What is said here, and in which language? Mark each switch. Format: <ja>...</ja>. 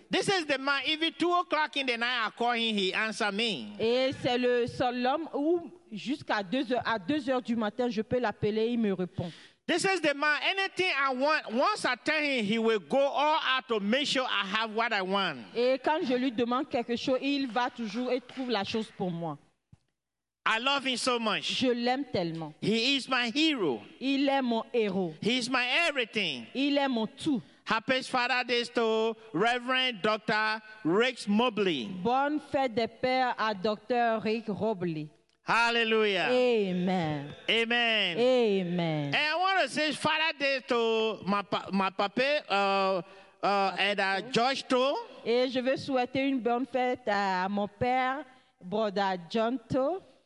<en>This is the man, even 2 o'clock in the night, I call him, he answer me.</en> <fr>Et c'est le seul homme où jusqu'à 2 heures du matin, je peux l'appeler, il me répond.</fr> <en>This is the man, anything I want, once I tell him, he will go all out to make sure I have what I want.</en> <fr>Et quand je lui demande quelque chose, il va toujours et trouve la chose pour moi.</fr> <en>I love him so much.</en> <fr>Je l'aime tellement.</fr> <en>He is my hero.</en> <fr>Il est mon héros.</fr> <en>He is my everything.</en> <fr>Il est mon tout.</fr> <en>Happy Father Day to Reverend Dr. Rick Mobley.</en> <fr>Bonne fête des pères à Dr. Rick Mobley.</fr> <en>Hallelujah. Amen. Amen. Amen. And I want to say Father Day to my papa, and George Toe.</en> <fr>Et je veux souhaiter une bonne fête à mon père, Brother John Toe.</fr>